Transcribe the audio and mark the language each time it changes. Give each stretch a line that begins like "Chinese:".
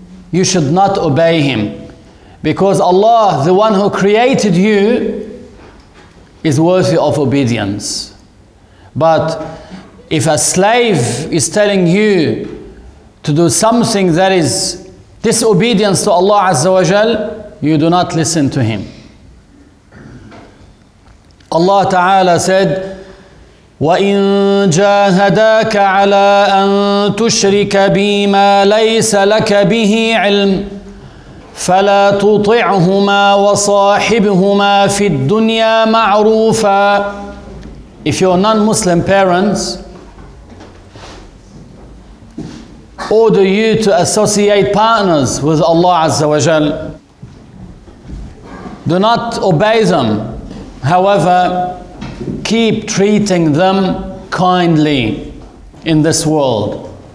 English: You should not obey him. Because Allah, the one who created you, is worthy of obedience. But if a slave is telling you to do something that is disobedience to Allah Azza wa Jal, you do not listen to him. Allah Ta'ala said,
Arabic: وَإِن جَاهَدَاكَ عَلَىٰ أَن تُشْرِكَ بِي مَا لَيْسَ لَكَ بِهِ عِلْمٍ فَلَا تُطِعْهُمَا وَصَاحِبْهُمَا فِي الدُّنْيَا مَعْرُوفًا.
English: If your non-Muslim parents order you to associate partners with Allah Azza wa Jal, do not obey them. However, keep treating them kindly in this world.